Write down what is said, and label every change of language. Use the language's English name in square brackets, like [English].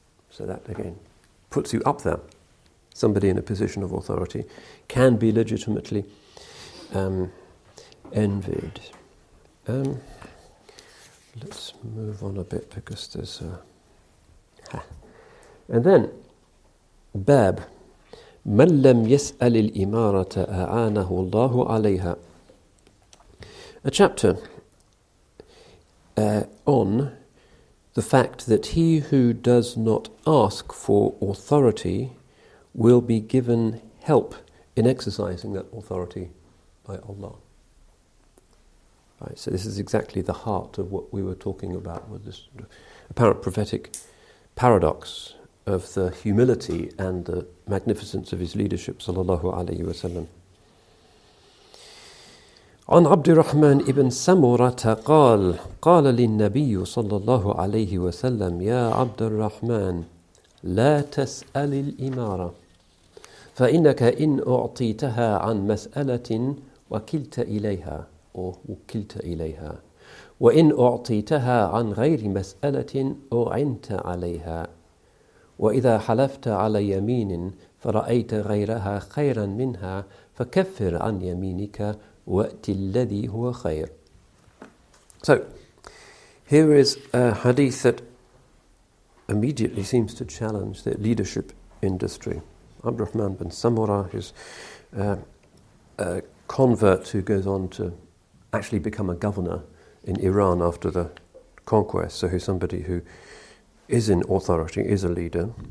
[English] So that, again, puts you up there. Somebody in a position of authority can be legitimately envied. Let's move on a bit because there's a... And then, [Arabic] باب من لم يسأل الإمارة أعانه الله عليها. [English] A chapter on the fact that he who does not ask for authority will be given help in exercising that authority by Allah. Right, so this is exactly the heart of what we were talking about with this apparent prophetic paradox of the humility and the magnificence of his leadership, sallallahu alayhi wasallam. [Arabic] عن عبد الرحمن ابن سمرة قال قال للنبي صلى الله عليه وسلم يا عبد الرحمن لا تسأل الإمارة فإنك إن أعطيتها عن مسألة وكلت إليها أو وكلت إليها وإن أعطيتها عن غير مسألة أعنت عليها وإذا حلفت على يمين فرأيت غيرها خيرا منها فكفر عن يمينك وَأْتِ الَّذِي هُوَ خَيْرٌ. [English] So, here is a hadith that immediately seems to challenge the leadership industry. Abd al-Rahman bin Samura, who's a convert who goes on to actually become a governor in Iran after the conquest, so he's somebody who is in authority, is a leader.